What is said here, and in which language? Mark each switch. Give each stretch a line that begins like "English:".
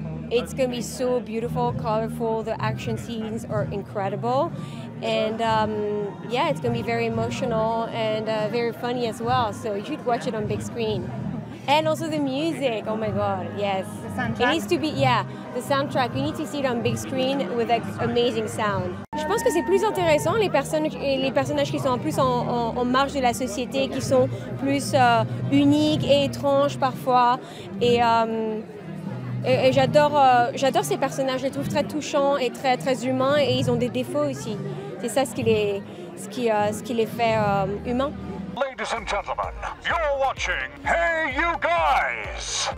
English: It's gonna be so beautiful, colorful, the action scenes are incredible. And yeah, it's gonna be very emotional and very funny as well. So you should watch it on big screen. And also the music, oh my God, yes. The soundtrack. It needs to be, yeah, the soundtrack. You need to see it on big screen with like amazing sound.
French: Je pense que c'est plus intéressant les personnages qui sont en plus en marge de la société, qui sont plus uniques et étranges parfois. Et j'adore ces personnages, je les trouve très touchants et très, très humains, et ils ont des défauts aussi. C'est ça ce qui les fait humains.
English: Ladies and gentlemen, you're watching Hey You Guys!